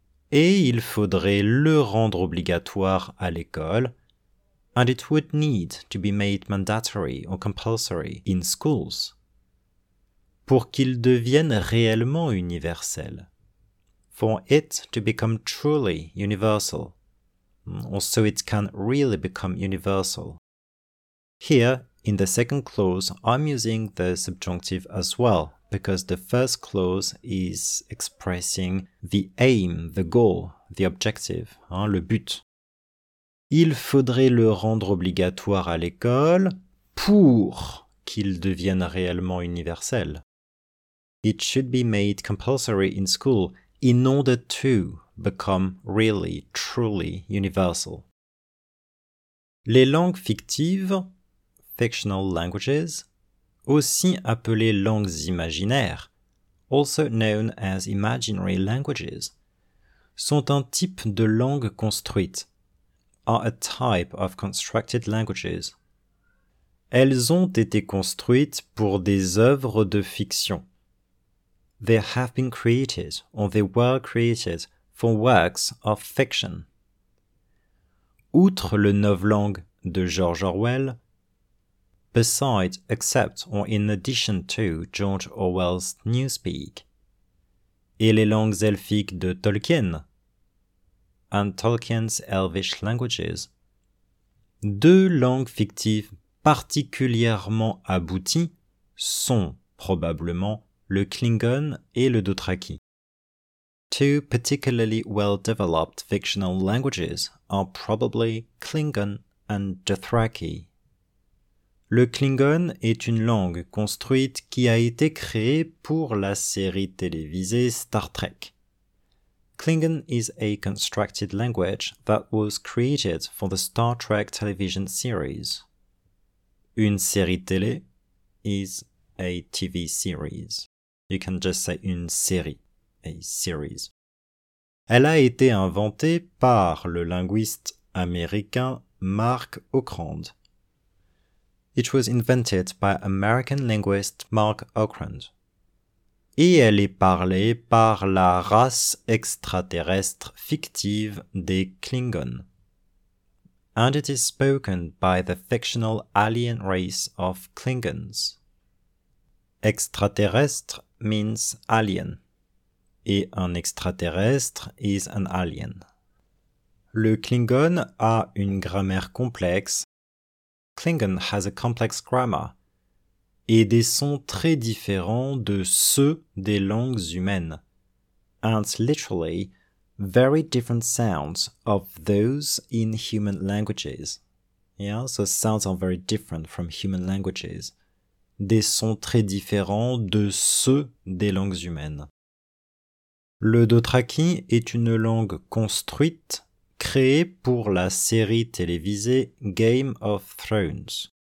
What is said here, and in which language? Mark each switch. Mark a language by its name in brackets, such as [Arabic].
[French] Et il faudrait le rendre obligatoire à l'école. [English] And it would need to be made mandatory or compulsory in schools. [French] Pour qu'il devienne réellement universel. [English] For it to become truly universal. Or so it can really become universal. Here, in the second clause, I'm using the subjunctive as well, because the first clause is expressing the aim, the goal, the objective, [French] le but. Il faudrait le rendre obligatoire à l'école pour qu'il devienne réellement universel. [English] It should be made compulsory in school in order to become really, truly universal. [French] Les langues fictives, [English] fictional languages, [French] aussi appelées langues imaginaires, [English] also known as imaginary languages, [French] sont un type de langue construite, [English] are a type of constructed languages. [French] Elles ont été construites pour des œuvres de fiction. [English] They have been created, or they were created, for works of fiction. [French] Outre le novlangue de George Orwell, [English] beside, except, or in addition to George Orwell's Newspeak, [French] et les langues elfiques de Tolkien, [English] and Tolkien's elvish languages, [French] deux langues fictives particulièrement abouties sont probablement le Klingon et le Dothraki. [English] Two particularly well-developed fictional languages are probably Klingon and Dothraki. [French] Le Klingon est une langue construite qui a été créée pour la série télévisée Star Trek. [English] Klingon is a constructed language that was created for the Star Trek television series. [French] Une série télé [English] is a TV series. You can just say une série, a series. [French] Elle a été inventée par le linguiste américain Mark Okrand. [English] It was invented by American linguist Mark Okrand. [French] Et elle est parlée par la race extraterrestre fictive des Klingons. [English] and it is spoken by the fictional alien race of Klingons. Extraterrestre means alien, [French] et un extraterrestre [English] is an alien. [French] Le Klingon a une grammaire complexe. [English] Klingon has a complex grammar, [French] et des sons très différents de ceux des langues humaines. [English] And literally, very different sounds of those in human languages. Yeah, so sounds are very different from human languages. [French] Des sons très différents de ceux des langues humaines. Le Dothraki est une langue construite, créée pour la série télévisée Game of Thrones.